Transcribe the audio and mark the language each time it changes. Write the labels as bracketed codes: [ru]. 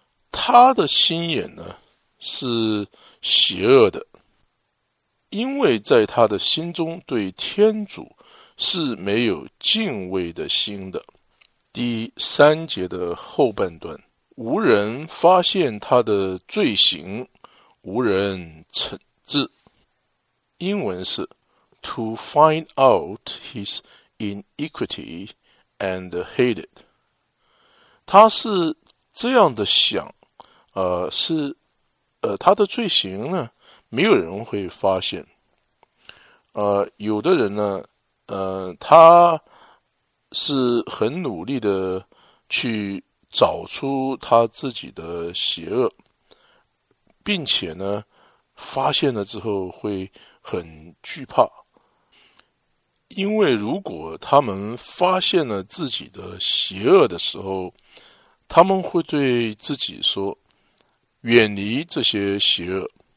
[zh] 他的心眼呢，是邪恶的，因为在他的心中对天主是没有敬畏的心的。第三节的后半段，无人发现他的罪行，无人惩治。英文是 [en] To find out his iniquity and hate it. [zh] 他是这样的想，他的罪行呢，没有人会发现。有的人呢，他是很努力的去找出他自己的邪恶，并且呢，发现了之后会很惧怕，因为如果他们发现了自己的邪恶的时候，他们会对自己说，远离这些邪恶。